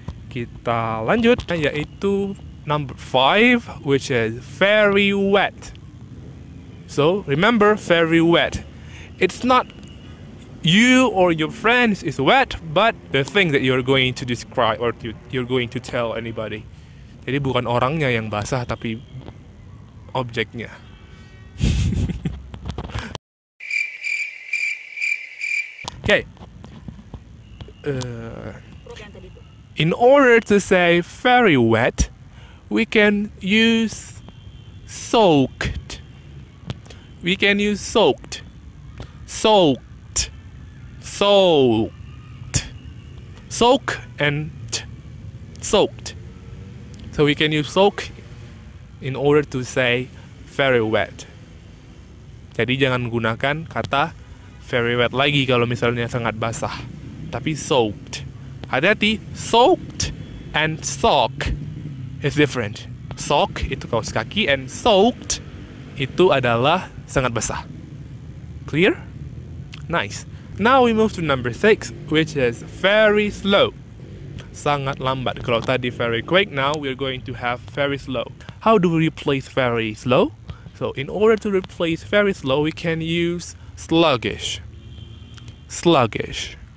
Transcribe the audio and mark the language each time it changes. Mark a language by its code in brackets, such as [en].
[id] Kita lanjut yaitu [en] number 5, which is very wet. So, remember very wet. It's not you or your friends is wet, but the thing that you're going to describe or you're going to tell anybody. [id] Jadi bukan orangnya yang basah tapi objeknya. [en] Okay. In order to say very wet, we can use soaked. We can use soaked. Soaked. Soaked. Soak and soaked. So we can use soak in order to say very wet. [id] Jadi jangan gunakan kata very wet lagi kalau misalnya sangat basah. Tapi soaked. Hati-hati, [en] soaked and sock is different. [id] Sock itu kaos kaki and soaked itu adalah sangat basah. [en] Clear? Nice. Now we move to number 6, which is very slow. [id] Sangat lambat. Kalau tadi [en] very quick, now we're going to have very slow. How do we replace very slow? So in order to replace very slow, we can use sluggish. Sluggish.